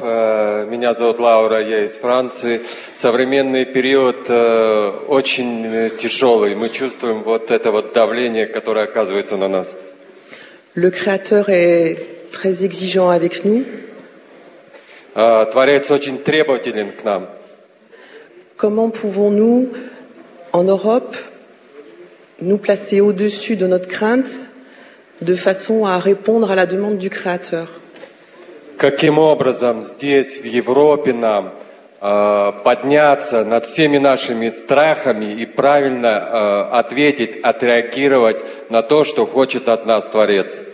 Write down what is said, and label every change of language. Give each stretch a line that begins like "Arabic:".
Russian: Меня зовут Лаура, я из Франции. Современный период очень тяжелый. Мы чувствуем вот это вот давление, которое оказывается на нас.
French: Le Créateur est très exigeant avec nous.
Russian: Творец очень требователен к нам.
French: Comment pouvons-nous en Europe nous placer au-dessus de notre crainte de façon à répondre à la demande du Créateur?
Russian: Каким образом здесь, в Европе, нам подняться над всеми нашими страхами и правильно ответить, отреагировать на то, что хочет от нас Творец?